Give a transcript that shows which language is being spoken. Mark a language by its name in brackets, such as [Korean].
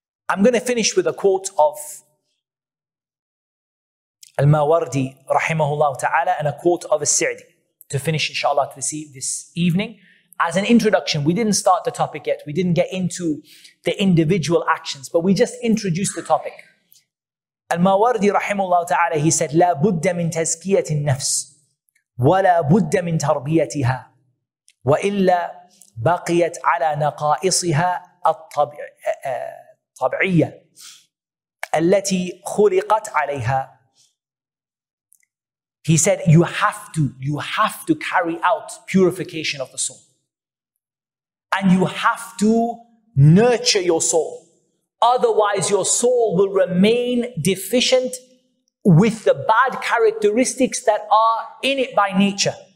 [English] I'm going to finish with a quote of Al-Mawardi rahimahullah ta'ala and a quote of Al-Sa'di. To finish inshallah this evening. As an introduction, we didn't start the topic yet. We didn't get into the individual actions, but we just introduced the topic. Al-Mawardi rahimahullah ta'ala, he said, [Arabic] لا بد من تزكية النفس ولا بد من تربيتها وإلا بقيت على نقائصها الطبعية التي خلقت عليها. [English] He said, you have to carry out purification of the soul. And you have to nurture your soul. Otherwise, your soul will remain deficient with the bad characteristics that are in it by nature.